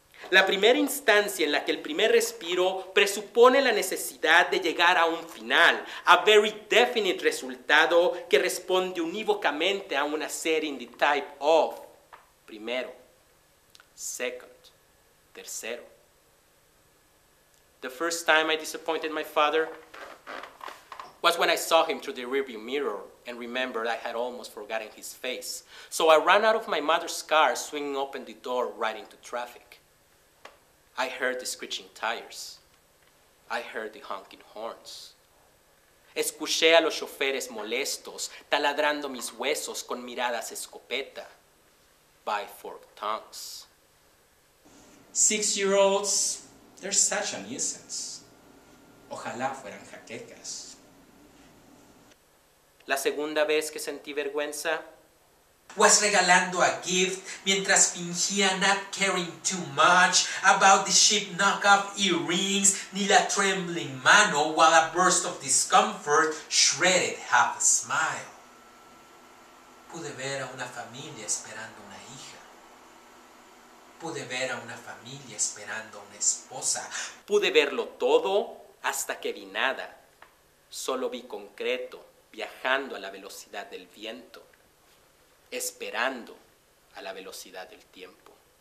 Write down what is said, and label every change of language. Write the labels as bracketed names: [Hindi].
[Spanish] La primera instancia en la que el primer respiro presupone la necesidad de llegar a un final, [English] a very definite [Spanish] resultado que responde unívocamente a una serie [English] in the type of [Spanish] primero, [English] second, [Spanish] tercero. [English] The first time I disappointed my father was when I saw him through the rearview mirror and remembered I had almost forgotten his face. So I ran out of my mother's car, swinging open the door right into traffic. I heard the screeching tires. I heard the honking horns. [Spanish] Escuché a los choferes molestos, taladrando mis huesos con miradas escopeta, [English] by forked tongues. 6-year-olds, they're such a nuisance. [Spanish] Ojalá fueran jaquecas. La segunda vez que sentí vergüenza [English] was [Spanish] regalando [English] a gift [Spanish] mientras fingía [English] not caring too much about the cheap knockoff earrings [Spanish] ni la [English] trembling [Spanish] mano [English] while a burst of discomfort shredded half a smile. [Spanish] Pude ver a una familia esperando una hija. Pude ver a una familia esperando una esposa. Pude verlo todo hasta que vi nada. Solo vi concreto. Viajando a la velocidad del viento, esperando a la velocidad del tiempo.